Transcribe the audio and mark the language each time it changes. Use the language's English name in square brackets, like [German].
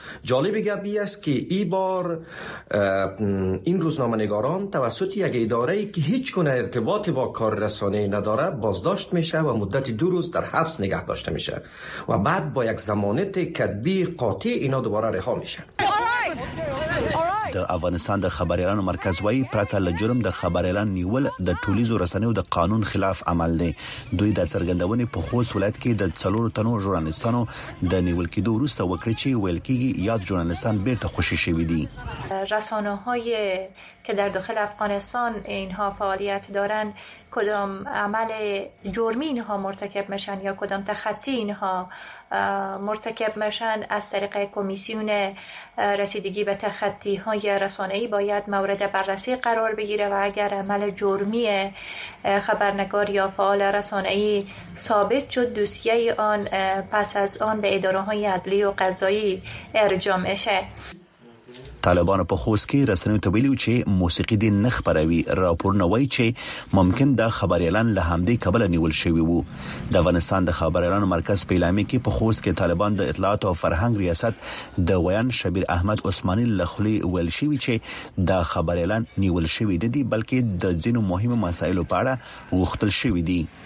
[Persian] جالب گبی است که ای بار این روزنامه نگاران توسط یک اداره که هیچ گونه ارتباطی با کار رسانه نداره بازداشت میشه و مدت دو روز در حبس نگه داشته میشه و بعد با یک ضمانت کتبی قاطع اینا دوباره رها میشن. [Pashto] د افغانستان د خبریالانو مرکز وایي پرته له جرم د خبریالانو نیول د ټولیزو رسنیو د قانون خلاف عمل دی. دوی د څرګندونې په خوست ولایت کې د څلورو تنو ژورنالیستانو د نیول کېدو وروسته وکړه چې ویل کېږي یاد ژورنالیستان بیرته خوشی شوي دي. [Persian] رسانه های که در داخل افغانستان اینها فعالیت دارن، کدام عمل جرمی اینها مرتکب میشن یا کدام تخطی اینها مرتکب میشن، از طریق کمیسیون رسیدگی به تخطی های رسانه‌ای باید مورد بررسی قرار بگیره و اگر عمل جرمی خبرنگار یا فعال رسانه‌ای ثابت شد، دوسیه آن پس از آن به اداره های عدلی و قضایی ارجاع میشه. [Pashto] طالبان په خوست کې رسنیو ته ویلي چې موسیقي دین نه خبروي. راپورونه وایي چې ممکن دا خبریالان له همدې قبل نیول شوی وو. د افغانستان د خبریالانو مرکز په اعلامیه کې په خوست کې طالبان د اطلاعات او فرهنګ ریاست د ویان شبیر احمد عثماني لخلي ویل شوی چې دا خبریالان نیول شوی دي، بلکې د ځینو مهمو مسایلو په اړه وغوښتل شوی دي.